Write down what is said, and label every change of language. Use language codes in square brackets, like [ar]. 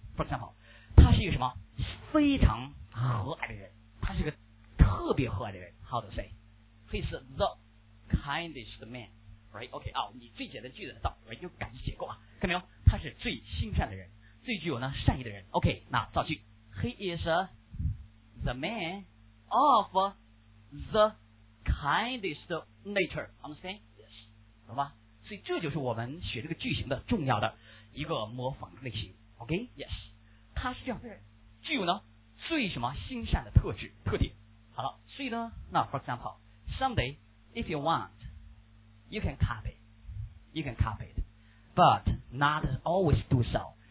[en] For example, [zh] 他是一个什么非常和蔼的人，他是一个特别和蔼的人。 [en] How to say? He's the kindest man, right? [zh] OK, 好、哦、你最简单句子到 right, 就赶紧写过啊，看没有，他是最心善的人，最具有呢善意的人。 OK, 那造句。 [en] He is the man of the kindest nature. Understand? Yes. [zh] 懂吧？所以这就是我们学这个句型的重要的一个模仿类型。 [en] OK? Yes. [zh] 他是这样的人，具有呢最什么心善的特质特点。好了，所以呢，那 [en] for example, someday if you want, you can copy, you can copy it, but not always do so.